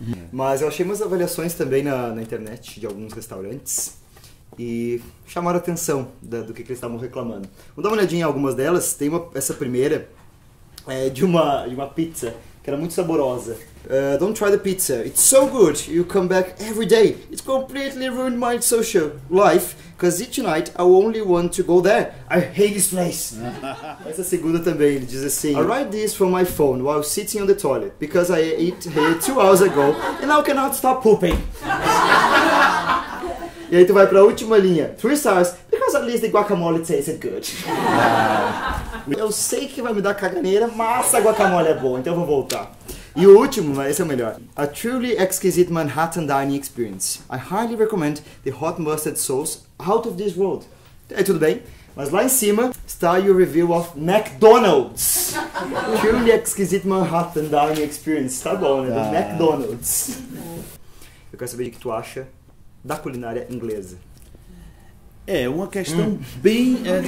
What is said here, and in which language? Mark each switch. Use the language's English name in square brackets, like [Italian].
[Portuguese] Mas eu achei umas avaliações também na internet de alguns restaurantes e chamaram a atenção do que eles estavam reclamando. Vou dar uma olhadinha em algumas delas. Tem essa primeira de uma pizza que era muito saborosa. [English] Don't try the pizza. It's so good. You come back every day. It completely ruined my social life. Because each night I only want to go there. I hate this place. [Portuguese] Essa segunda também, ele diz assim. [English] I write this from my phone while sitting on the toilet. Because I ate here 2 hours ago. And now I cannot stop pooping. [Portuguese] E aí tu vai pra última linha. [English] 3 stars. Because at least the guacamole tasted good. [Portuguese] Eu sei que vai me dar caganeira, mas a guacamole é boa. Então eu vou voltar. E o último, mas esse é o melhor. [English] A truly exquisite Manhattan dining experience. I highly recommend the hot mustard sauce out of this world. [Portuguese] É, tudo bem. Mas lá em cima, está [English] your review of McDonald's. Truly exquisite Manhattan dining experience. [Portuguese] Tá bom, né? Do McDonald's. Eu quero saber o que tu acha da culinária inglesa. É, uma questão bem...